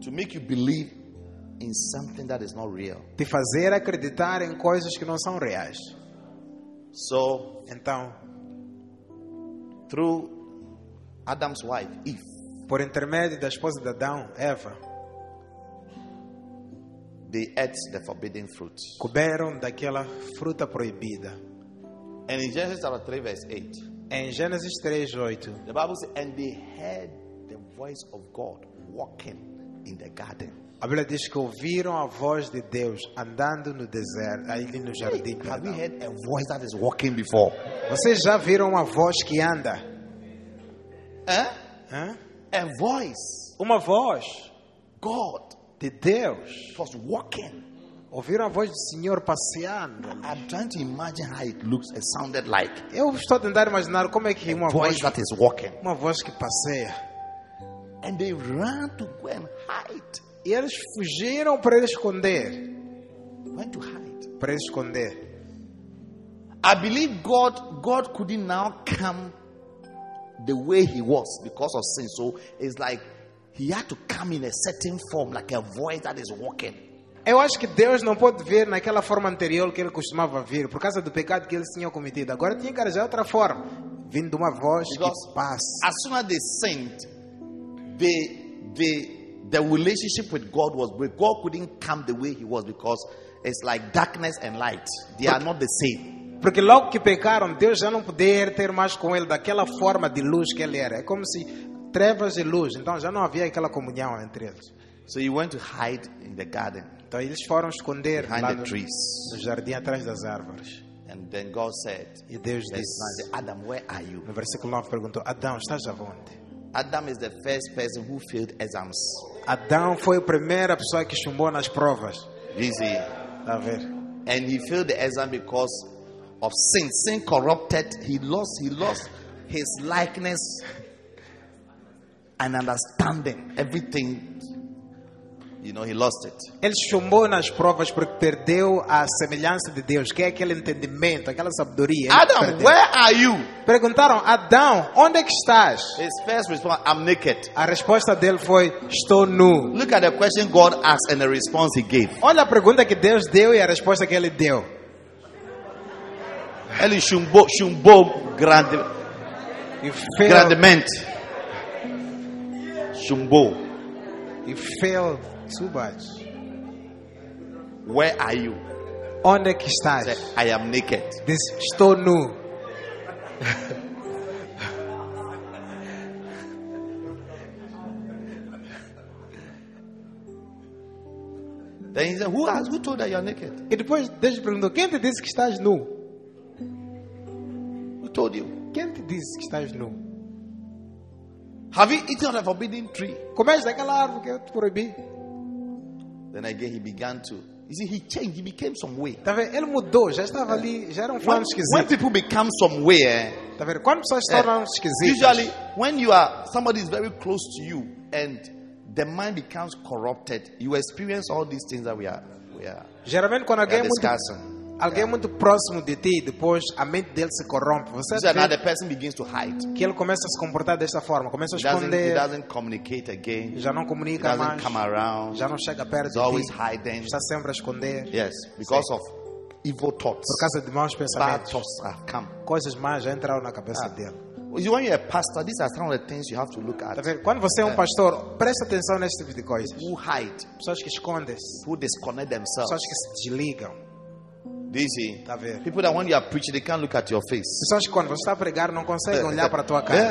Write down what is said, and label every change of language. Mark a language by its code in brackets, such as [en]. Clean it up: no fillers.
[en] To make you believe in something that is not real. [pt] Te fazer acreditar em coisas que não são reais. [en] So, [pt] então, [en] through Adam's wife Eve, [pt] por intermédio da esposa de Adão, Eva, [en] they ate the forbidden fruit. [pt] Comeram daquela fruta proibida. [en] And in Genesis 3 verse 8. [pt] Em Gênesis 3:8, [en] the Bible says, and they heard the voice of God walking in the garden. [pt] A Bíblia diz que ouviram a voz de Deus andando no deserto, ali no jardim. [en] Have you heard a voice that is walking before? [pt] Vocês já viram uma voz que anda? [en] A voice. [pt] Uma voz. [en] God. [pt] De Deus. [en] Was walking. [pt] Ouviram a voz do Senhor passeando. [en] I'm trying to imagine how it looks and sounded like. [pt] Eu estou tentando imaginar como é que uma voz [en] that is walking. [pt] Uma voz que passeia. [en] And they ran to go and hide. [pt] E eles fugiram para esconder. [en] Went to hide. [pt] Para esconder. [en] I believe God couldn't now come the way he was because of sin. So it's like he had to come in a certain form, like a voice that is walking. [pt] Eu acho que Deus não pode ver naquela forma anterior que ele costumava ver, por causa do pecado que ele tinha cometido. Agora tinha que arranjar outra forma, vindo uma voz que passa. [en] As soon as they sinned, the relationship with God was broken. God couldn't come the way he was because it's like darkness and light. They are not the same. [pt] Porque logo que pecaram, Deus já não poder ter mais com ele daquela forma de luz que ele era. É como se trevas e luz. Então já não havia aquela comunhão entre eles. [en] So he went to hide in the garden. [pt] Então eles foram esconder [en] behind the trees. [pt] No jardim atrás das árvores. [en] And then God said, [pt] e Deus disse, [en] Adam, where are you? [pt] No versículo 9 perguntou, Adão, estás aonde? [en] Adam is the first person who failed exams. [pt] Adão foi a primeira pessoa que chumbou nas provas. Dizem. A ver. [en] And he failed the exam because of sin. Sin corrupted. He lost his likeness and understanding. Everything. You know, he lost it. [pt] Ele chumbou nas provas porque perdeu a semelhança de Deus, que é aquele entendimento, aquela sabedoria. [en] Adam, where are you? [pt] Perguntaram, Adão, onde é que estás? [en] His first response, I'm naked. [pt] A resposta dele foi, estou nu. [en] Look at the question God asked and the response he gave. [pt] Olha a pergunta que Deus deu e a resposta que ele deu. Ele chumbou grandemente. Chumbou. [en] He failed. Too much. Where are you? [pt] Onde que estás? [en] Said, I am naked. [pt] This estou nu. [en] Then he said, who told that you are naked? [pt] E depois Deus perguntou, quem te disse que estás nu? [en] Who told you? [pt] Quem te disse que estás nu? [en] Have you eaten of the forbidden tree? [pt] Comeste daquela árvore que eu te proibi? [en] Then again he began to. You see, he changed. He became some way. [pt] Tá vendo? Ele mudou. Já estava ali. Já era um fã esquisito. [en] When people become some way, [pt] tá vendo? Quando pessoas se tornam esquisitas. [en] Usually, when you are somebody is very close to you and the mind becomes corrupted, you experience all these things that we are. [pt] Geralmente quando alguém muito próximo de ti, depois a mente dele se corrompe. Você [en] vê another person begins to hide. [pt] Que ele começa a se comportar dessa forma, começa a esconder. [en] He doesn't communicate again. [pt] Já não comunica mais. [en] He doesn't come around. [pt] Já não chega perto. [en] He's always hiding. [pt] Está sempre a esconder. [en] Yes, because of evil thoughts. [pt] Por causa de maus pensamentos. [en] Bad thoughts have come. [pt] Coisas más já entraram na cabeça dele. [en] When you're a pastor, these are some of the things you have to look at. [pt] Quando você é um pastor, presta atenção nesse tipo de coisas. [en] Who hide? [pt] Pessoas que escondem. [en] Who disconnect themselves? [pt] Pessoas que se desligam. [en] Dizzy, people that when you are preaching, they can't look at your face. [pt] Pessoas que quando você está a pregar não conseguem olhar para a tua cara.